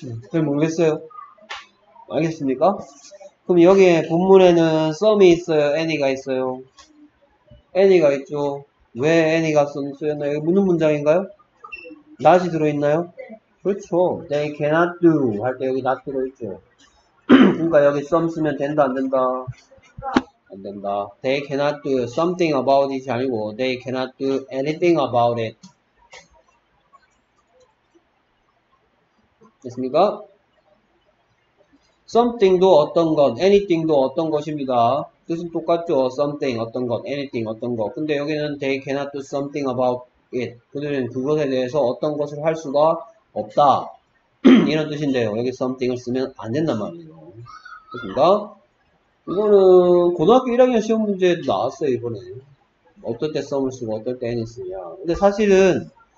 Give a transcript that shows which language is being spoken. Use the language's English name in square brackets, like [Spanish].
[Korean] 잘 모르겠어요. 알겠습니까? 그럼 여기에 본문에는 썸이 있어요? 애니가 있어요? 애니가 있죠. 왜 애니가 쓰였나요? 이게 묻는 문장인가요? not이 들어있나요? 그렇죠. they cannot do 할 때 여기 not 들어있죠. 그러니까 여기 썸 쓰면 된다 안 된다? 안 된다. [English] They cannot do something about it [Korean] 아니고 [English] they cannot do anything about it. [Korean] 됐습니까? something도 어떤 것, anything도 어떤 것입니다. 뜻은 똑같죠. something 어떤 것, anything 어떤 것. 근데 여기는 [English] they cannot do something about it. [Korean] 그들은 그것에 대해서 어떤 것을 할 수가 없다. 이런 뜻인데요. 여기 something을 쓰면 안 된단 말이에요. 됐습니까? 이거는 고등학교 1학년 시험 문제에도 나왔어요, 이번에. 어떨 때 썸을 쓰고 어떨 때 애니 쓰냐. 근데 사실은